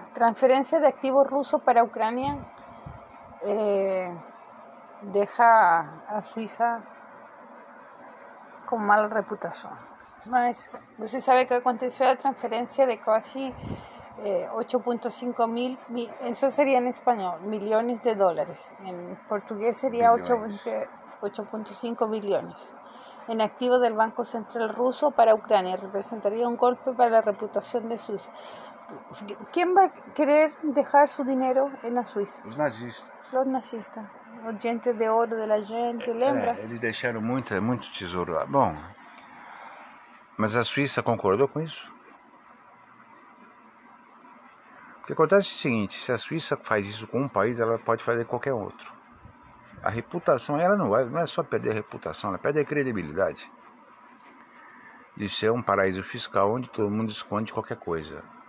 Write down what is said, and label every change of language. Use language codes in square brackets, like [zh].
[pt] Transferência de ativo russo para a Ucrânia deixa a Suíça com mala reputação. Mas você sabe que aconteceu a transferência de quase 8.5 mil, isso seria em espanhol, milhões de dólares. Em português seria 8.5 milhões. [es] En activo del Banco Central Ruso para Ucrania, representaría un golpe para la reputación de Suiza. ¿Quién va a querer dejar su dinero en la Suiza? Los nazistas. Los nazistas, los gente de oro de la gente, ¿lembra? Ellos dejaron mucho tesoro lá. Bueno, ¿mas la Suiza concordó con eso? [pt] Porque acontece o seguinte: [es] si la Suiza [pt] faz isso [es] con un país, [pt] ela pode fazer [es] cualquier otro. [pt] A reputação, ela não vai, não é só perder a reputação, ela perde a credibilidade de ser um paraíso fiscal onde todo mundo esconde qualquer coisa.